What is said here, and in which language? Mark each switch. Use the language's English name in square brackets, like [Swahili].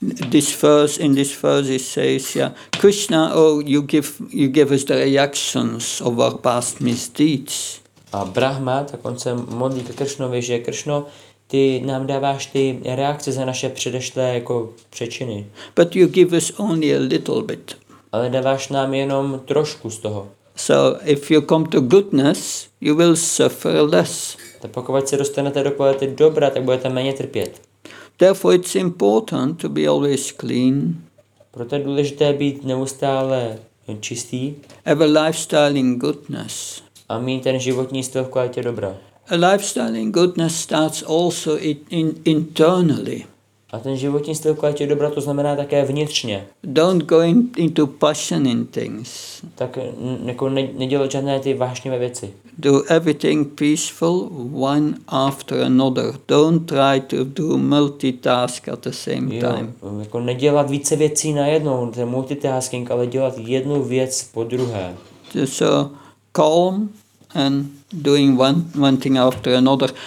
[English] this verse, in this verse it says, yeah, Krishna, oh, you give us the reactions of our past misdeeds. [Czech] A Brahma, tak on se modlí ke Kršnovi, že Kršno, ty nám dáváš ty reakce za naše předešlé jako přečiny. [English] But you give us only a little bit. [Czech] Ale dáváš nám jenom trošku z toho. [English] So if you come to goodness, you will suffer less. [Czech] Tak pokud se dostanete do kvality dobra, tak budete méně trpět. [English] Therefore it's important to be always clean. [Czech] Proto je důležité být neustále čistý. [English] Have a lifestyle in goodness. [Czech] A mít ten životní styl v kvalitě dobra. [English] A lifestyle in goodness starts also in internally. [Czech] A ten životní styl v kvalitě dobra to znamená také vnitřně. [English] Don't go into passion in things. [Czech] Tak nedělat žádné ty vášnivé věci. [English] Do everything peaceful one after another. Don't try to do multitask at the same time. [Czech] Jako nedělat více věcí najednou, ten multitasking, ale dělat jednu věc po druhé. [English] So calm and doing one thing after another.